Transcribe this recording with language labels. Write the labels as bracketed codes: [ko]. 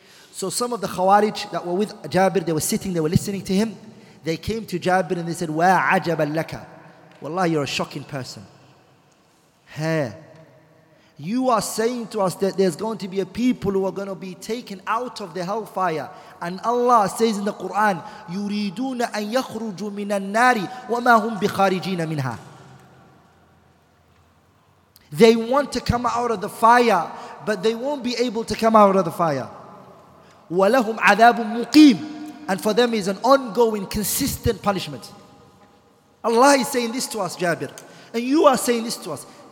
[en] So some of the Khawarij that were with Jabir, they were sitting, they were listening to him. They came to Jabir and they said, [ar] وَاعَجَبًا لَكَ. [en] Wallahi, you're a shocking person. Hey, you are saying to us that there's going to be a people who are going to be taken out of the hellfire. And Allah says in the Quran, [ar] يُرِيدُونَ أَن يَخْرُجُوا مِنَ النَّارِ وَمَا هُمْ بِخَارِجِينَ مِنْهَا. [en] They want to come out of the fire, but they won't be able to come out of the fire. [ar] وَلَهُمْ عَذَابٌ مُقِيمٌ. [en] And for them is an ongoing, consistent punishment. Allah is saying this to us, Jabir. And you are saying this to us.